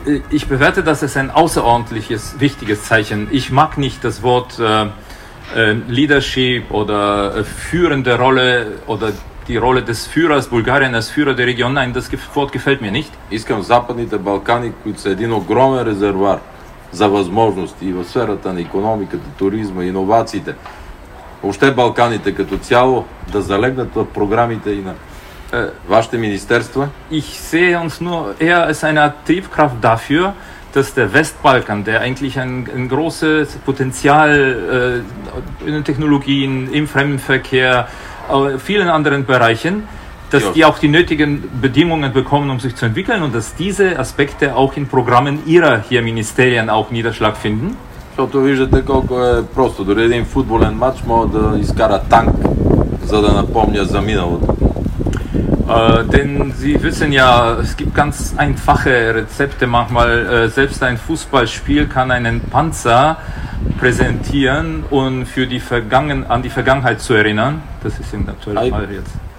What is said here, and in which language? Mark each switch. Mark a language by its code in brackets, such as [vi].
[de] Ich bewerte, dass es ein außerordentliches, wichtiges Zeichen. Ich mag nicht das Wort Leadership oder führende Rolle oder die Rolle des Führers, Bulgarien als Führer der Region. Nein, das Wort gefällt mir nicht. [bg] Искам западните Балкани, които са един огромен резервуар за възможности в сферата на икономиката, туризма, иновациите. Въобще Балканите като цяло да залегнат в програмите и на вашите министерства. [de] Ich sehe uns nur eher als eine Art Triebkraft dafür, dass der Westbalkan, der eigentlich ein großes Potenzial in den Technologien, im Fremdenverkehr, vielen anderen Bereichen, dass die auch die nötigen Bedingungen bekommen, um sich zu entwickeln und dass diese Aspekte auch in Programmen Ihrer hier Ministerien auch Niederschlag finden. [bg] Защото виждате колко е просто. Дори един футболен матч може да изкара танк, за да напомня за миналото. [de] Denn Sie wissen ja, es gibt ganz einfache Rezepte manchmal. Selbst ein Fußballspiel kann einen Panzer präsentieren und für die an die Vergangenheit zu erinnern. Das ist im aktuellen Fall jetzt.